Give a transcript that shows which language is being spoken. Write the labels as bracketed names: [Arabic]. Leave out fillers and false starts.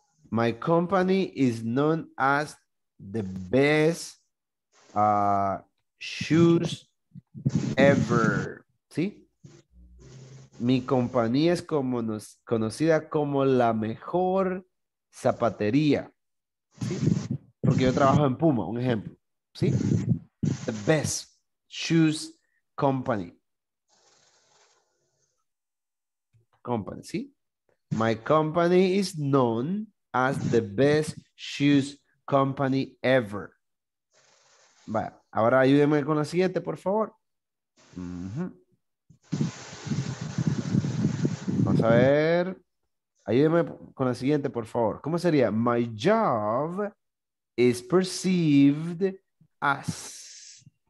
[English] My company is known as the best shoes ever. [Spanish] ¿Sí? Mi compañía es como conocida como la mejor zapatería. ¿Sí? Porque yo trabajo en Puma, un ejemplo. ¿Sí? [English] The best shoes company. Company, ¿sí? My company is known as the best shoes company ever. [Spanish] Vaya, ahora ayúdenme con la siguiente, por favor. Uh-huh. Vamos a ver. Ayúdenme con la siguiente, por favor. ¿Cómo sería? [English] My job is perceived as.